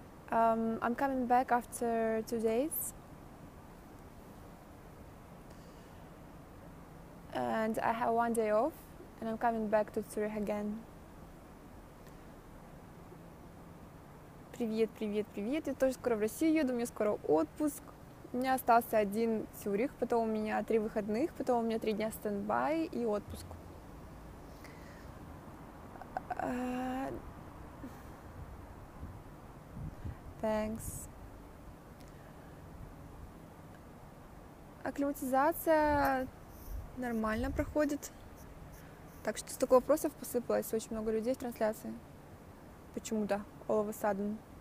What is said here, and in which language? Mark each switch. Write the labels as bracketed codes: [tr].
[en] I'm coming back after 2 days. And I have 1 day off, and I'm coming back to Zurich again. [ru] Привет, привет, привет. Я тоже скоро в Россию еду, у меня скоро отпуск. У меня остался один Цюрих, потом у меня 3 выходных, потом у меня 3 дня стендбай и отпуск. [en] Thanks. [ru] Акклиматизация нормально проходит. Так что столько вопросов посыпалось, очень много людей в трансляции. Почему-то, [en] all of a sudden.